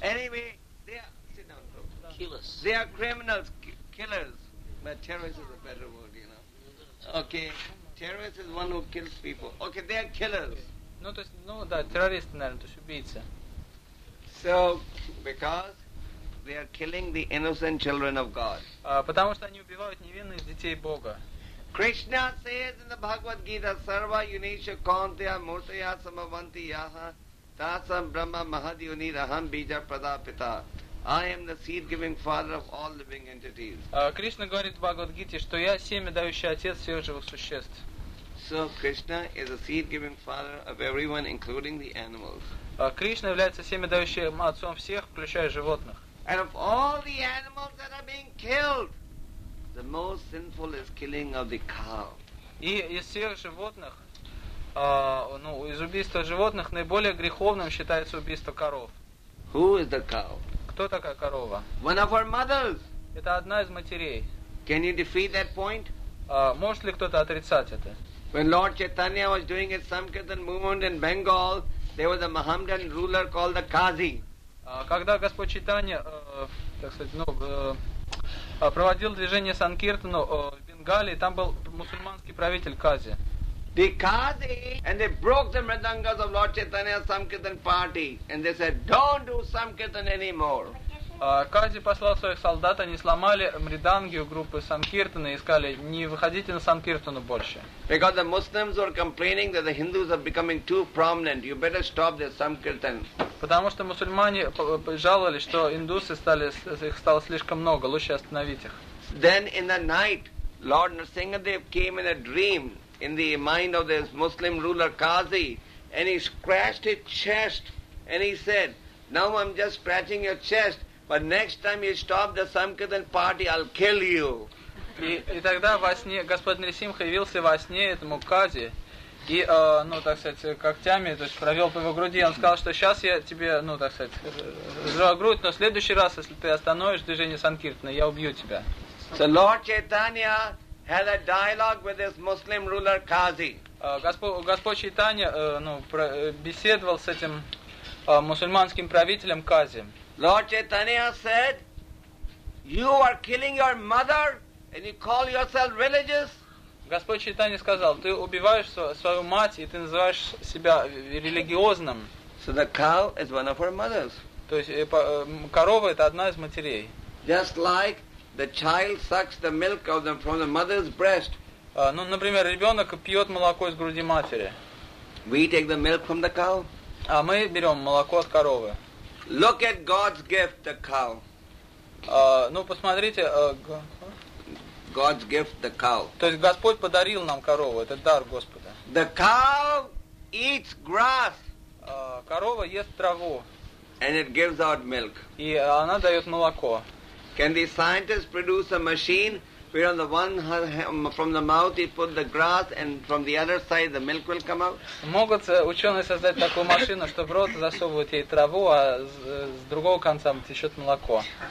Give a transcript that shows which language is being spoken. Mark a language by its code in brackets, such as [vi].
[en] Anyway, they are... Sit down, killers. They are criminals, killers. But terrorist is a better word, you know. Okay. Terrorist is one who kills people. Okay, they are killers. [ru] Ну, то есть, ну, да, террористы, наверное, то есть убийцы. [en] So, because they are killing the innocent children of God. [ru] Потому что они убивают невинных детей Бога. [en] Krishna says in the Bhagavad Gita, [sa] Sarva Yunisha Kauntya Murtaya Samavanti Yaha Tasam Brahma Mahad Yuni Raham Bija Pradapita. [en] I am the seed-giving father of all living entities. [ru] Krishna говорит в Bhagavad Gita, что я семя дающий отец всех живых существ. [en] So Krishna is a seed-giving father of everyone, including the animals. [ru] Krishna является семя дающим отцом всех, включая животных. [en] And of all the animals that are being killed, the most sinful is killing of the cow. [ru] И из всех животных, ну из убийства животных наиболее греховным считается убийство коров. [en] Who is the cow? [ru] Кто такая корова? [en] One of our mothers. [ru] Это одна из матерей. [en] Can you defeat that point? [ru] Может ли кто-то отрицать это? [en] When Lord Chaitanya was doing his Sankirtan movement in Bengal, there was a Mohammedan ruler called the Qazi. [ru] Когда Господь Чайтанья, так сказать, ну, проводил движение Санкиртану в Бенгалии, там был мусульманский правитель Кази. [en] The Qazi, and they broke the mridangas of Lord Chaitanya's Sankirtan party, and they said, don't do Sankirtan anymore. [ru] Кази послал своих солдат, они сломали мриданги у группы Санкиртана и сказали, не выходите на Санкиртану больше. [en] Because the Muslims were complaining that the Hindus are becoming too prominent, you better stop this Sankirtan. [ru] Потому что мусульмане жаловались, что индусы стали, их стало слишком много, лучше остановить их. [en] Then in the night, Lord Narsingadev came in a dream in the mind of this Muslim ruler Qazi, and he scratched his chest, and he said, now I'm just scratching your chest, but next time you stop the Sankirtan party, I'll kill you. [ru] И тогда во сне, Господь Нарсимха явился во сне этому Кази и, ну, так сказать, когтями, то есть провел по его груди. Он сказал, что сейчас я тебе, ну, так сказать, сжал грудь, но в следующий раз, если ты остановишь движение Санкиртана, я убью тебя. [en] So Lord Chaitanya had a dialogue with this Muslim ruler Qazi. [ru] Господь Чайтанья, ну, беседовал с этим мусульманским правителем Кази. [en] Lord Chaitanya said, you are killing your mother and you call yourself religious. [ru] Господь Чайтанья сказал, ты убиваешь свою мать и ты называешь себя религиозным. [en] So the cow is one of our mothers. [ru] То есть корова это одна из матерей. [en] Just like the child sucks the milk of them from the mother's breast. [ru] Ну, например, ребенок пьет молоко из груди матери. [en] We take the milk from the cow. [ru] А мы берем молоко от коровы. [en] Look at God's gift, the cow. [ru] Ну, посмотрите. [en] God's gift, the cow. [ru] То есть Господь подарил нам корову, это дар Господа. [en] The cow eats grass. [ru] Корова ест траву. [en] And it gives out milk. [ru] И она дает молоко. [en] Can the scientist produce a machine where on the one hand, from the mouth he put the grass and from the other side the milk will come out? [ru] Могут ученые создать такую машину, что в рот засовывают ей траву, а с другого конца течет молоко?